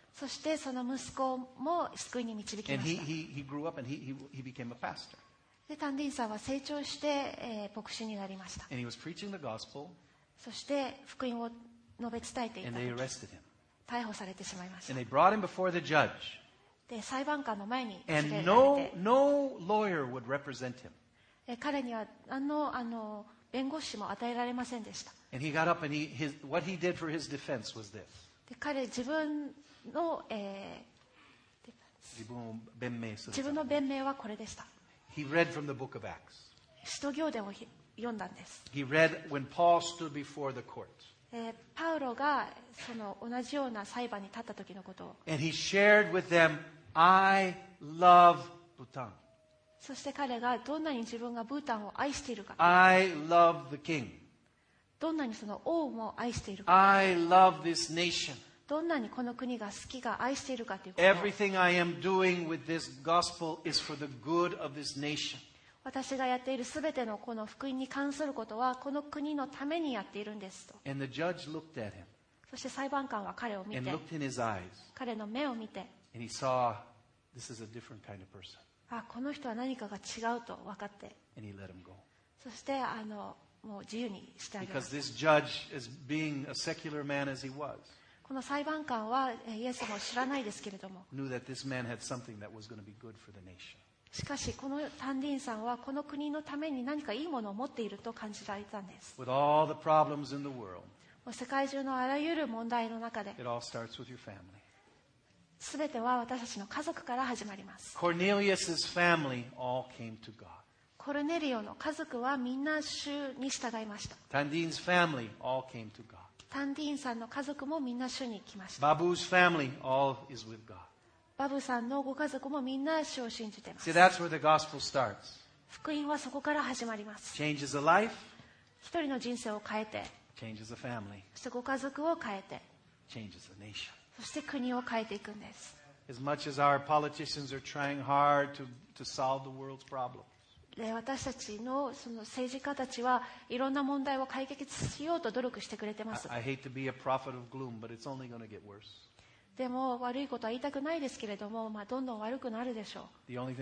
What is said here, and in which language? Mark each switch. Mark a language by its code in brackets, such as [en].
[ja] そしてその息子も救いに導きました。 [en] And he grew up and he became a pastor. [ja] でタンディンさんは成長して、牧師になりました。 [en] And he was preaching the gospel. [ja] そして福音を述べ伝えていた。 [en] And they arrested him. [ja] 逮捕されてしまいました。 [en] And they brought him before the judge. [ja] で、裁判官の前に連れられて。 [en] And no lawyer would represent him. [ja] 彼には何の、弁護士も与えられませんでした。 [en] And he got up and what he did for his defense was this. [ja] で、彼自分の、自分の弁明はこれでした。 [en] He read from the book of Acts. [ja] 使徒行伝を読んだんです。 [en] He read when Paul stood before the court. [ja] パウロがその同じような裁判に立った時のことを。 [en] And he shared with them, I love Bhutan. [ja] そして彼がどんなに自分がブータンを愛しているか。 [en] I love the king. [ja] どんなにその王も愛しているか。 [en] I love this nation. [ja] どんなにこの国が好きか愛しているかということ。 [en] Everything I am doing with this gospel is for the good of this nation. [ja] 私がやっているすべてのこの福音に関することはこの国のためにやっているんですと。 [en] And the judge looked at him. [ja] そして裁判官は彼を見て。 [en] And looked in his eyes. [ja] 彼の目を見て。 [en] And he saw, this is a different kind of person. [ja] あ、この人は何かが違うと分かって。 [en] And he let him go. [ja] そしてもう自由にしてあげる。 [en] Because this judge, as being a secular man as he was, [ja] この裁判官はイエスも知らないですけれども。 [en] knew that this man had something that was going to be good for the nation. [ja] しかしこのタンディンさんはこの国のために何かいいものを持っていると感じられたんです。 [en] With all the problems in the world, [ja] もう世界中のあらゆる問題の中で [en] It all starts with your family. [ja] 全ては私たちの家族から始まります。 [en] Cornelius's family all came to God. [ja] コルネリオの家族はみんな主に従いました。 [en] Tandin's family all came to God. [ja] タンディンさんの家族もみんな主に来ました。 [en] Babu's family all is with God. [ja] バブさんのご家族もみんな主を信じています。 [en] See, that's where the gospel starts. [ja] 福音はそこから始まります。 [en] Changes a life. [ja] 一人の人生を変えて。 [en] Changes a family. [ja] そしてご家族を変えて。 [en] Changes a nation. [ja] そして国を変えていくんです。 [en] As much as our politicians are trying hard to solve the world's problems. [ja] 私たちのその政治家たちはいろんな問題を解決しようと努力してくれてます。 [en] I hate to be a prophet of gloom, but it's only going to get worse. [ja] でも悪いことは言いたくないですけれども、まあ、どんどん悪くなるでしょう。